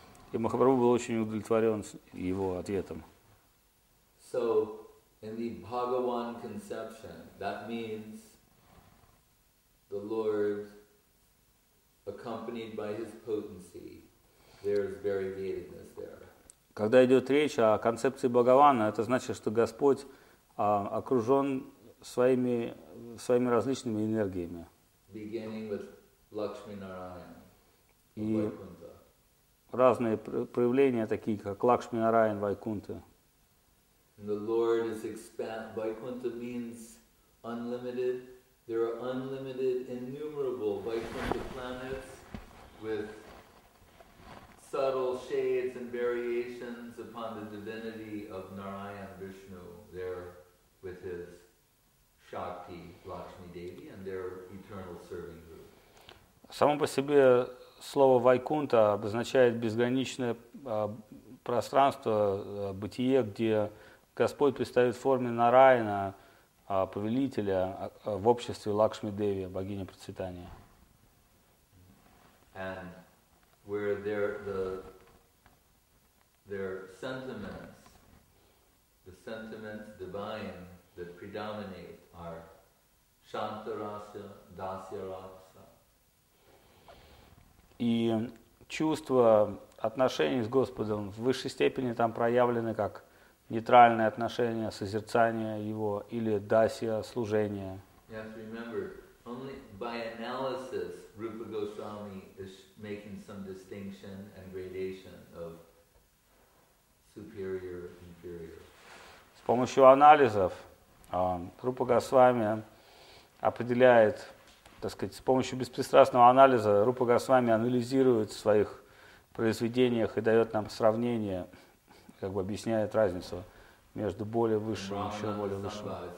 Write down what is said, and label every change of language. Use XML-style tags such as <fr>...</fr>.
<ru>И Махапрабху был очень удовлетворен его ответом.</ru> <en>So, in the Bhagavan conception, that means the Lord, accompanied by his potency, there is very datedness there.</en> <ru>Когда идет речь о концепции Бхагавана, это значит, что Господь окружен своими различными энергиями.</ru> <en>Beginning with Lakshmi Narayan.</en> <ru>И разные проявления, такие как Лакшми Нараян, Вайкунта.</ru> <en>The Lord is expanded. Вайкунта means unlimited. There are unlimited, innumerable Vaikuntha planets with subtle shades and variations upon the divinity of Narayan Vishnu there with his Shakti Lakshmi Devi and their eternal serving group.</en> <ru>Само по себе слово Вайкунта обозначает безграничное пространство, бытие, где Господь предстает в форме Нараяна, повелителя, в обществе Лакшми Деви, богини процветания.</ru> <en>And where their sentiments, the sentiments divine that predominate are Shantarasya, Dasyarasa.</en> <ru>И чувства, отношения с Господом в высшей степени там проявлены как нейтральные отношения, созерцание его или дасья, служение.</ru> <en>You have to remember, only by analysis Rupa Goswami is making some distinction and gradation of superior, inferior.</en> <ru>С помощью анализов Рупа Госвами определяет, так сказать, с помощью беспристрастного анализа Рупа Госвами анализирует в своих произведениях и дает нам сравнение, как бы объясняет разницу между более высшим и еще более высшим.</ru>